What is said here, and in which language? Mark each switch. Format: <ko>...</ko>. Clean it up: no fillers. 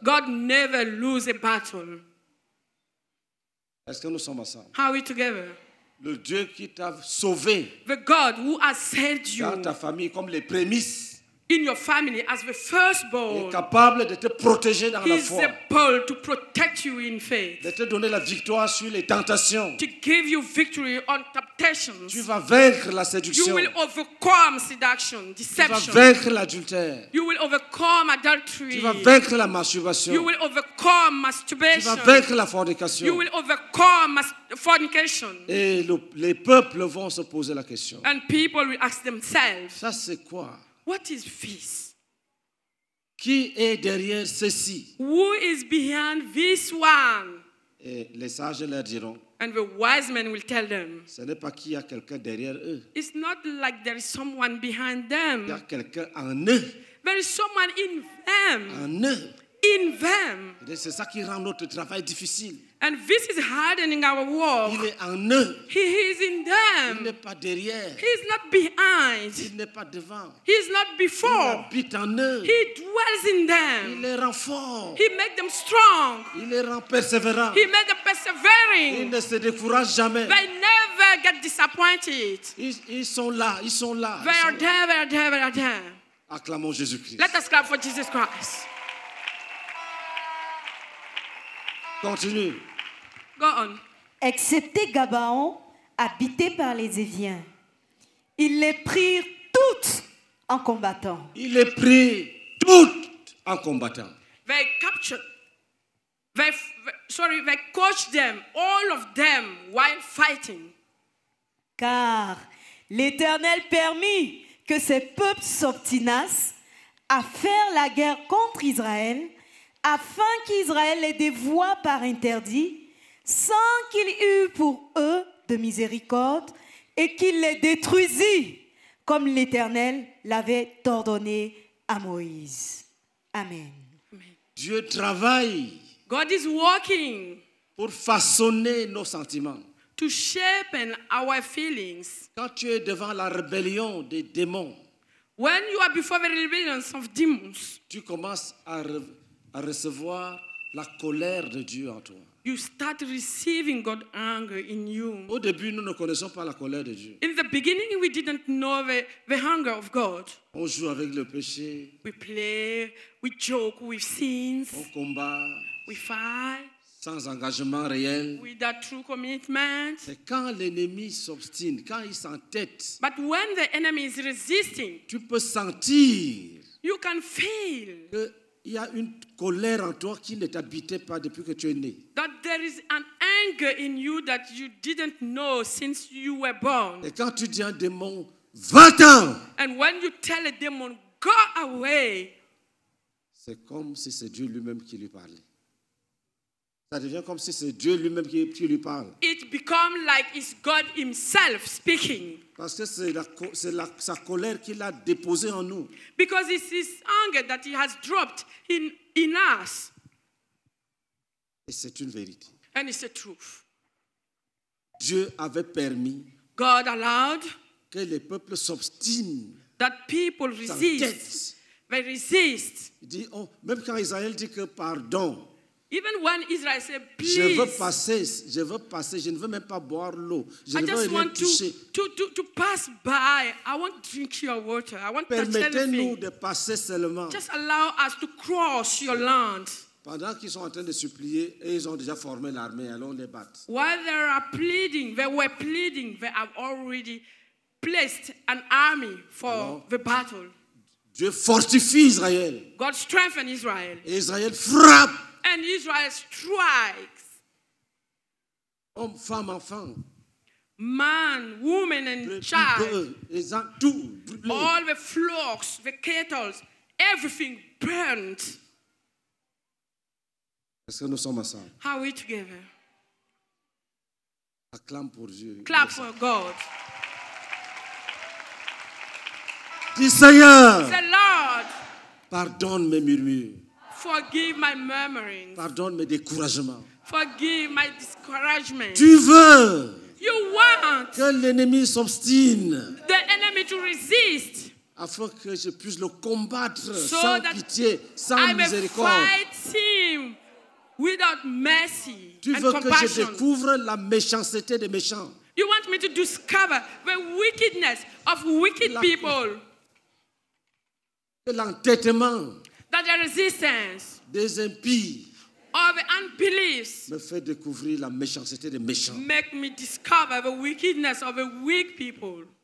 <en>God never lose a battle.</en> <fr>Est-ce que nous sommes ensemble?</fr> <en>How are we together?</en> <fr>Le Dieu qui t'a sauvé.</fr> <en>The God who has saved you.</en> <fr>Dans ta famille comme les prémices.</fr> <en>In your family as the firstborn.</en> <fr>Il est capable de te protéger dans la foi.</fr> <en>He is able to protect you in faith.</en> <fr>De te donner la victoire sur les tentations.</fr> <en>To give you victory on temptations.</en> <fr>Tu vas vaincre la séduction.</fr> <en>You will overcome seduction, deception.</en> <fr>Tu vas vaincre l'adultère.</fr> <en>You will overcome adultery.</en> <fr>Tu vas vaincre la masturbation.</fr> <en>You will overcome masturbation.</en> <fr>Tu vas vaincre la fornication.</fr> <en>You will overcome fornication.</en> <fr>Et les peuples vont se poser la question.</fr> <en>And people will ask themselves.</en> <fr>Ça c'est quoi?</fr> <en>What is this?</en> <fr>Qui est derrière ceci?</fr> <en>Who is behind this one?</en> <fr>Et les sages leur diront.</fr> <en>And the wise men will tell them.</en> <fr>Ce n'est pas qu'il y a quelqu'un derrière eux.</fr> <en>It's not like there is someone behind them.</en> <fr>Il y a quelqu'un en eux.</fr> <en>There is someone in them.</en> <fr>En eux.</fr> <en>In them.</en> <fr>Et c'est ça qui rend notre travail difficile.</fr> <en>And this is hardening our work.</en> <fr>Il est en eux.</fr> <en>He is in them.</en> <fr>Il n'est pas derrière.</fr> <en>He is not behind.</en> <fr>Il n'est pas devant.</fr> <en>He is not before.</en> <fr>Il habite en eux.</fr> <en>He dwells in them.</en> <fr>Il les rend fort.</fr> <en>He makes them strong.</en> <fr>Il les rend persévérant.</fr> <en>He makes them persevering.</en> <fr>Ils ne se découragent jamais.</fr> <en>They never get disappointed.</en> <fr>Ils sont là. Ils sont là.</fr> <en>They are there. They are there. They are there.</en> <fr>Acclamons Jésus-Christ.</fr> <en>Let us clap for Jesus Christ.</en> <fr>Continue.</fr> <en>Go on.</en> <fr>Excepté Gabaon, habité par les Éviens. Ils les prirent toutes en combattant. Ils les prirent toutes en combattant.</fr> <en>They captured. They coached them, all of them, while fighting.</en> <fr>Car l'Éternel permit que ces peuples s'obstinassent à faire la guerre contre Israël, afin qu'Israël les dévoie par interdit, sans qu'il y eût pour eux de miséricorde, et qu'il les détruisît, comme l'Éternel l'avait ordonné à Moïse. Amen. Dieu travaille.</fr> <en>God is working.</en> <fr>Pour façonner nos sentiments.</fr> <en>To shape our feelings.</en> <fr>Quand tu es devant la rébellion des démons.</fr> <en>When you are before the rebellion of demons.</en> <fr>Tu commences à recevoir la colère de Dieu en toi.</fr> <en>You start receiving God's anger in you.</en> <fr>Au début, nous ne connaissons pas la colère de Dieu.</fr> <en>In the beginning, we didn't know the anger of God.</en> <fr>On joue avec le péché.</fr> <en>We play, we joke with sins.</en> <fr>On combat.</fr> <en>We fight.</en> <fr>Sans engagement réel.</fr> <en>Without true commitment.</en> <fr>C'est quand l'ennemi s'obstine, quand il s'entête.</fr> <en>But when the enemy is resisting.</en> <fr>Tu peux sentir.</fr> <en>You can feel.</en> <fr>Que il y a une colère en toi qui ne t'habitait pas depuis que tu es né.</fr> <en>That there is an anger in you that you didn't know since you were born.</en> <fr>Et quand tu dis à un démon, va-t'en.</fr> <en>And when you tell a demon, go away.</en> <fr>C'est comme si c'est Dieu lui-même qui lui parlait. Ça devient comme si c'est Dieu lui-même qui lui parle.</fr> <en>It becomes like it's God himself speaking.</en> <fr>Parce que c'est sa colère qu'il a déposée en nous.</fr> <en>Because it's his anger that he has dropped in us.</en> <fr>Et c'est une vérité.</fr> <en>And it's a truth.</en> <fr>Dieu avait permis.</fr> <en>God allowed.</en> <fr>Que les peuples s'obstinent.</fr> <en>That people resist. They resist.</en> <fr>Dit, oh, même quand Israël dit que pardon.</fr> <en>Even when Israel said, please.</en> <fr>Je veux passer. Je ne veux même pas boire l'eau. Je ne veux rien toucher.</fr> <en>I just want to pass by. I won't drink your water. I won't touch anything.</en> <fr>Permettez-nous de passer seulement.</fr> <en>Just allow us to cross your land.</en> <fr>Pendant qu'ils sont en train de supplier, ils ont déjà formé l'armée. Allons les battre.</fr> <en>While they are pleading, they were pleading. They have already placed an army for the battle.</en> <fr>Dieu fortifie Israël.</fr> <en>God strengthen Israel.</en> <fr>Et Israël frappe.</fr> <en>And Israel strikes.</en> <fr>Homme, femme, enfant.</fr> <en>Man, woman, and child. All the flocks, the cattle, everything burnt.</en> <fr>Est-ce que nous sommes ensemble?</fr> <en>How are we together?</en> <fr>Acclame pour Dieu.</fr> <en>Clap for God.</en> <fr>Dis Seigneur.</fr> <en>Say Lord.</en> <fr>Pardonne mes murmures.</fr> <en>Forgive my murmurings.</en> <fr>Pardonne mes découragements.</fr> <en>Forgive my discouragement.</en> <fr>Tu veux.</fr> <en>You want.</en> <fr>Que l'ennemi s'obstine.</fr> <en>The enemy to resist.</en> <fr>Afin que je puisse le combattre so sans pitié, sans miséricorde.</fr> <en>I may fight him without mercy and compassion.</en> <fr>Tu veux que je découvre la méchanceté des méchants.</fr> <en>You want me to discover the wickedness of wicked people.</en> <fr>L'entêtement.</fr> <en>That the resistance</en> <fr>des impies</fr> <en>or the unbeliefs</en> <fr>me fait découvrir la méchanceté des méchants.</fr> <en>Make me discover the wickedness of the weak people.</en>